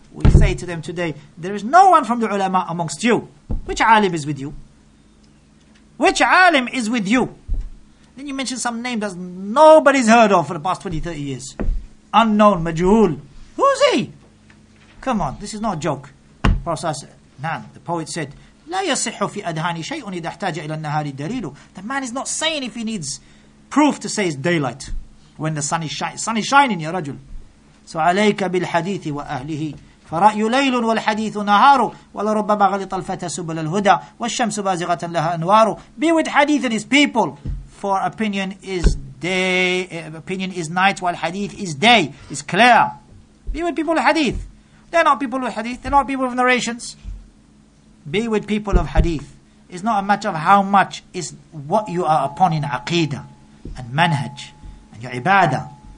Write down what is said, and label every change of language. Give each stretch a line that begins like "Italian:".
English: We say to them today, there is no one from the ulama amongst you. Which alim is with you? Which alim is with you? Then you mention some name that nobody's heard of for the past 20, 30 years. Unknown, majhul. Who's he? Come on, this is not a joke. Prophet Nam, the poet said,
Arabic: لا يصح في أدهاني شيء إذا احتاج إلى النهار دليل.
English: The man is not saying if he needs proof to say it's daylight when the sun is shining,
Arabic: يا رجل. So عليك بالحديث وأهله. فرأي ليل والحديث نهار ولربما غلط الفتى سبل الهدى والشمس بازغة لها أنوار.
English: Be with hadith and his people. For opinion is day, opinion is night, while hadith is day, is clear. Be with people of hadith. They're not people of hadith, they're not people of narrations. Be with people of hadith. It's not a matter of how much, it's what you are upon in aqidah and manhaj and your ibadah.